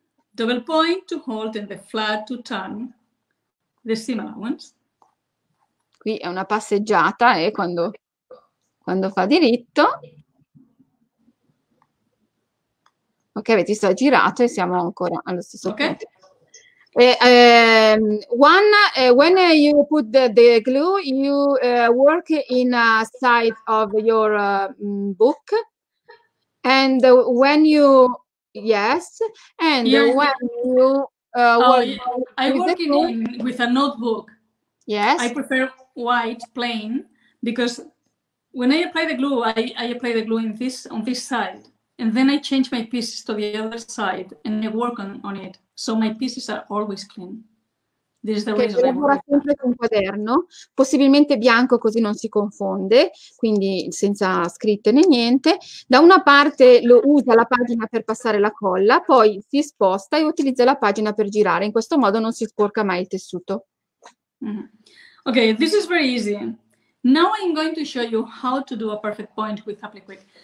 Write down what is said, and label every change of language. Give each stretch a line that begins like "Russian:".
English: Double point to hold and the flat to turn the seam allowance.
Italian: Qui è una passeggiata e quando fa diritto. Ok, vedi, sta girato e siamo ancora allo stesso punto.
English: When you put the glue, you work in a side of your book, and when you Yes, and yes. When you with a notebook. Yes, I prefer white plain because when I apply the glue, I apply the glue on this side, and then I change my pieces to the other side and I work on it. So my pieces are always clean. This is the way.
Italian: Che lavora sempre con quaderno, possibilmente bianco così non si confonde, quindi senza scritte né niente. Da una parte lo usa la pagina per passare la colla, poi si sposta e utilizza la pagina per girare. In questo modo non si sporca mai il tessuto.
English: Mm-hmm. Okay, this is very easy. Now I'm going to show you how to do a perfect point with applique.